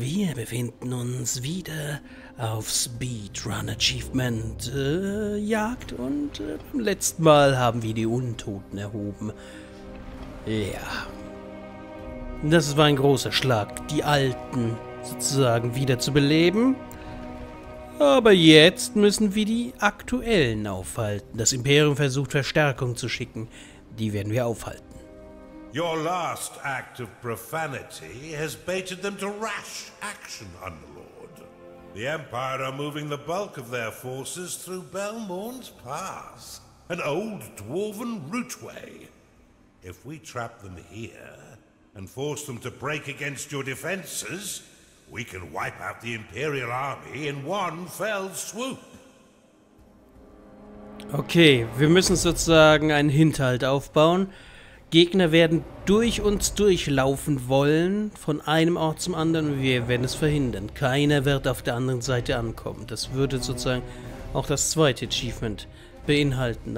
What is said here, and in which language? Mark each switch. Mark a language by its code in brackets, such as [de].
[de] Wir befinden uns wieder auf Speedrun Achievement Jagd und beim letzten Mal haben wir die Untoten erhoben. Ja. Das war ein großer Schlag, die Alten sozusagen wieder zu beleben. Aber jetzt müssen wir die Aktuellen aufhalten. Das Imperium versucht, Verstärkung zu schicken. Die werden wir aufhalten. [en] Your last act of profanity has baited them to rash action, Underlord. The Empire are moving the bulk of their forces through Belmorn's Pass, an old dwarven routeway. If we trap them here and force them to break against your defenses, we can wipe out the Imperial army in one fell swoop. [de] Okay, wir müssen sozusagen einen Hinterhalt aufbauen. Gegner werden durch uns durchlaufen wollen, von einem Ort zum anderen, und wir werden es verhindern. Keiner wird auf der anderen Seite ankommen. Das würde sozusagen auch das zweite Achievement beinhalten.